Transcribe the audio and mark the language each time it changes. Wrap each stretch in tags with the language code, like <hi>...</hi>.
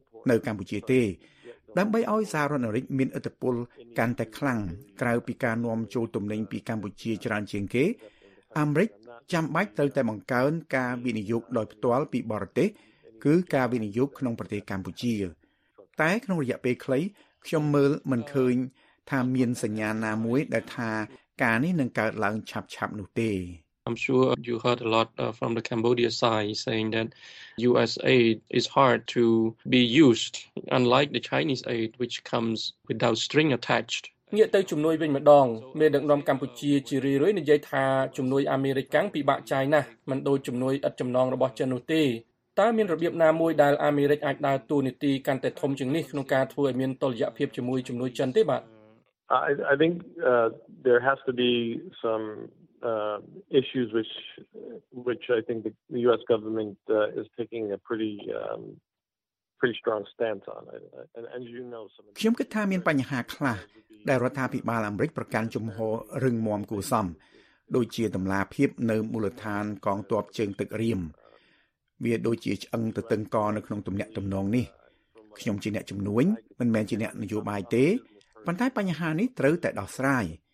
<km>នៅកម្ពុជាទេដើម្បីឲ្យសហរដ្ឋអាមេរិកមានឥទ្ធិពលកាន់តែខ្លាំងក្រៅពីការនាំចូលទំនិញពីកម្ពុជាច្រើនជាងគេអាមេរិកចាំបាច់ត្រូវតែបង្កើនការវិនិយោគដោយផ្ទាល់ពីបរទេសគឺការវិនិយោគក្នុងប្រទេសកម្ពុជាតែក្នុងរយៈពេលខ្លីខ្ញុំមើលមិនឃើញថាមានសញ្ញាណាមួយដែលថាការនេះនឹងកើតឡើងឆាប់ៗនោះទេ</km> <en>I'm sure you heard a lot from the Cambodia side saying that US aid is hard to be used unlike the Chinese aid which comes without string attached</en> <km>ងាកទៅជំនួយវិញម្ដងមានដឹកនាំកម្ពុជាជារឿយៗនិយាយថាជំនួយអាមេរិកពិបាកចាយណាស់មិនដូចជំនួយឥតចំណងរបស់ចិននោះទេតើមានរបៀបណាមួយដែលអាមេរិកអាចដើរតួនាទីកាន់តែធំជាងនេះក្នុងការធ្វើឲ្យមានតុល្យភាពជាមួយជំនួយចិនទេបាទ</km> <en>I think there has to be some issues which I think the US government is taking a pretty strong stance on and you know some</en> <km>ខ្ញុំគិតថាមានបញ្ហាខ្លះដែលរដ្ឋាភិបាលអាមេរិកប្រកាន់ជំហររឹងមាំគួរសមដូចជាតម្លាភាពនៅមូលដ្ឋានកងទ័ពជើងទឹករៀមវាដូចជាឆ្អឹងទៅតឹងកនៅក្នុងទំនាក់ទំនងនេះខ្ញុំជាអ្នកជំនួយមិនមែនជាអ្នកនយោបាយទេប៉ុន្តែបញ្ហានេះត្រូវតែដោះស្រាយ</km>